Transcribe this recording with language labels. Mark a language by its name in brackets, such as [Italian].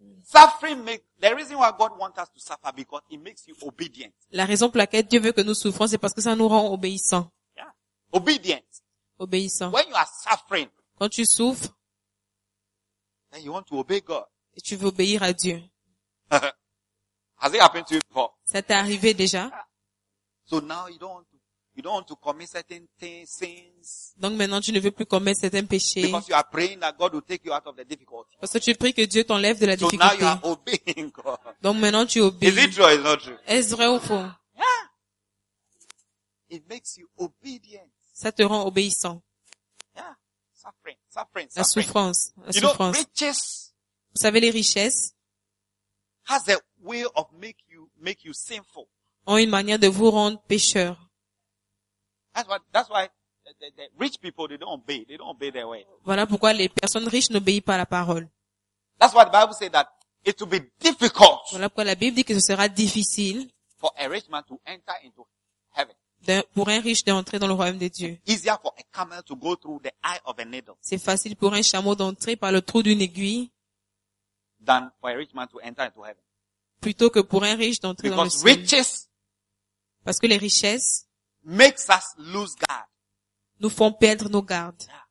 [English] Suffering makes the reason why God wants us to suffer because it makes you obedient. [French] La raison pour laquelle Dieu veut que nous souffrons, c'est parce que ça nous rend obéissants. [English] Yeah. Obedient. [French] Obéissant. [English] When you are suffering, [French] quand tu souffres, [English] then you want to obey God. [French] Et tu veux obéir à Dieu. [English] Has it happened to you before? [French] Ça t'est arrivé déjà? [English] So now you don't want to commit certain things, sins. [French] Donc maintenant tu ne veux plus commettre certains péchés. [English] Because you are praying that God will take you out of the difficulty. [French] Parce que tu pries que Dieu t'enlève de la [English] so [French] difficulté. [English] So now you are obeying God. [French] Donc maintenant tu obéis. [English] Is it true or is not true? [French] Est-ce vrai ou faux? [English] Yeah. It makes you obedient. [French] Ça te rend obéissant. [English] Yeah. Suffering. [French] La souffrance. [English] You know, riches. [French] Vous savez les richesses? [English] Has a way of make you sinful. [French] Ont une manière de vous rendre pécheur. [English] That's why the rich people they don't obey. They don't obey their way. [French] Voilà pourquoi les personnes riches n'obéissent pas à la parole. [English] That's why the Bible says that it will be difficult. [French] Voilà pourquoi la Bible dit que ce sera difficile. [English] For a rich man to enter into heaven. [French] Pour un riche d'entrer dans le royaume de Dieu. [English] Easier for a camel to go through the eye of a needle. [French] C'est facile pour un chameau d'entrer par le trou d'une aiguille. [English] Than for a rich man to enter into heaven. [French] Plutôt que pour un riche d'entrer [English] because [French] dans le ciel. [English] Riches [French] parce que les richesses [English] makes us lose guard. [French] Nous font perdre nos gardes.